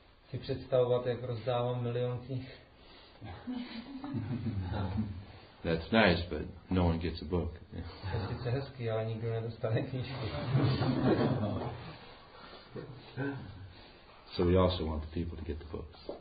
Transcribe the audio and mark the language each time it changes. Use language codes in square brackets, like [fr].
[cs] Si představovat, jak rozdávám 1,000,000 knih. [en] That's nice, but no one gets a book. [cs] To sice hezký, ale nikdo nedostane knížku. [en] So we also want the people to get the books.